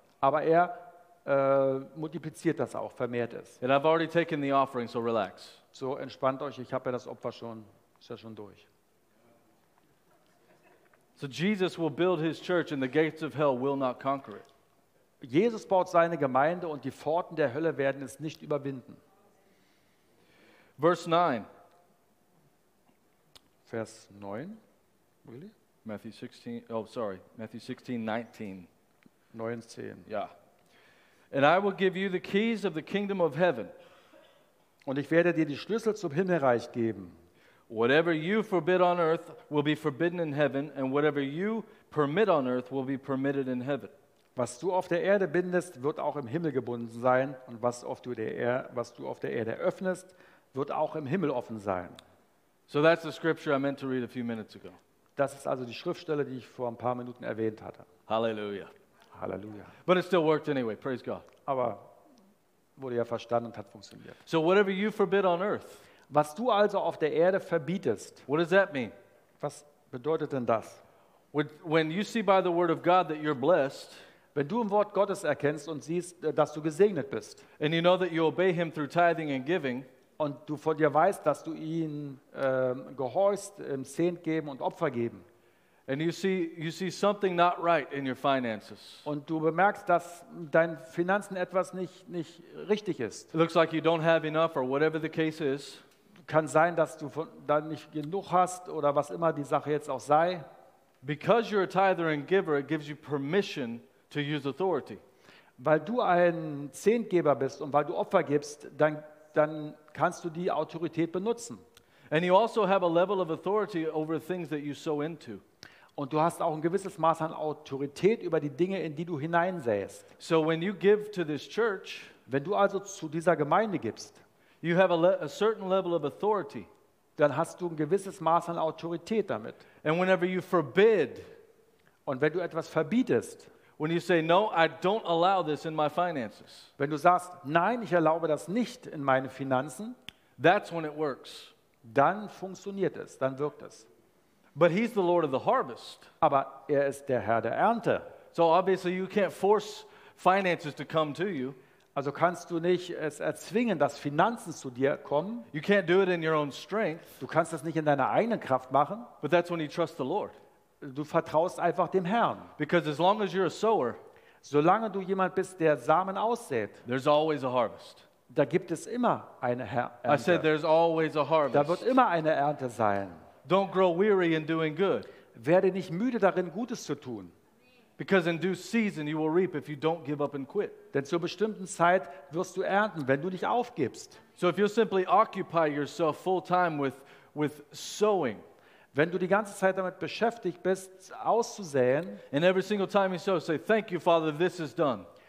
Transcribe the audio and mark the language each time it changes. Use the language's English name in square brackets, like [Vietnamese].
[German] Aber er multipliziert das auch, vermehrt es. [English] And I've already taken the offering, so relax. [German] So entspannt euch, ich habe ja das Opfer schon, ist ja schon durch. [English] So Jesus will build his church and the gates of hell will not conquer it. [German] Jesus baut seine Gemeinde und die Pforten der Hölle werden es nicht überwinden. [English] Verse 9. [German] Vers 9. [English] Really? Matthew 16:19. 9:10. Yeah. And I will give you the keys of the kingdom of heaven. [German] Und ich werde dir die Schlüssel zum Himmelreich geben. [English] Whatever you forbid on earth will be forbidden in heaven, and whatever you permit on earth will be permitted in heaven. [German] Was du auf der Erde bindest, wird auch im Himmel gebunden sein, und was du auf der Erde öffnest, wird auch im Himmel offen sein. [English] So that's the scripture I meant to read a few minutes ago. [German] Das ist also die Schriftstelle, die ich vor ein paar Minuten erwähnt hatte. Halleluja. Halleluja. [English] But it still worked anyway, praise God. [German] Aber wurde ja verstanden und hat funktioniert. [English] So whatever you forbid on earth, [German] was du also auf der Erde verbietest, [English] what does that mean? [German] Was bedeutet denn das? [English] When you see by the word of God that you're blessed, [German] wenn du im Wort Gottes erkennst und siehst, dass du gesegnet bist, [English] and you know that you obey him through tithing and giving, [German] und du von dir weißt, dass du ihn gehorchst im Zehnt geben und Opfer geben, [English] And you see something not right in your finances. [German] Und du bemerkst, dass dein Finanzen etwas nicht richtig ist. [English] It looks like you don't have enough or whatever the case is. [German] Kann sein, dass du da nicht genug hast oder was immer die Sache jetzt auch sei. [English] Because you're a tither and giver, it gives you permission to use authority. [German] Weil du ein Zehntgeber bist und weil du Opfer gibst, dann kannst du die Autorität benutzen. [English] And you also have a level of authority over things that you sow into. [German] Und du hast auch ein gewisses Maß an Autorität über die Dinge, in die du hineinsäst. [English] So when you give to this church, [German] wenn du also zu dieser Gemeinde gibst, [English] you have a certain level of authority. [German] Dann hast du ein gewisses Maß an Autorität damit. [English] And whenever you forbid, [German] und wenn du etwas verbietest, [English] when you say no, I don't allow this in my finances, [German] wenn du sagst, nein, ich erlaube das nicht in meinen Finanzen, [English] that's when it works. [German] Dann funktioniert es, dann wirkt es. [English] But he's the Lord of the harvest. [German] Aber ist der Herr der Ernte. [English] So obviously you can't force finances to come to you. [German] Also kannst du nicht es erzwingen, dass Finanzen zu dir kommen. [English] You can't do it in your own strength. [German] Du kannst das nicht in deiner eigenen Kraft machen. [English] But that's when you trust the Lord. [German] Du vertraust einfach dem Herrn. [English] Because as long as you're a sower, [German] solange du jemand bist, der Samen aussät, [English] there's always a harvest. [German] Da gibt es immer eine Ernte. [English] I said there's always a harvest. [German] Da wird immer eine Ernte sein. [English] Don't grow weary in doing good. [German] Werde nicht müde darin, Gutes zu tun. [English] Because in due season you will reap if you don't give up and quit. [German] Denn zur bestimmten Zeit wirst du ernten, wenn du nicht aufgibst. [English] So if you simply occupy yourself full time with sowing, [German] wenn du die ganze Zeit damit beschäftigt bist, auszusäen, [English] and every single time you sow, say, "Thank you, Father, this is done."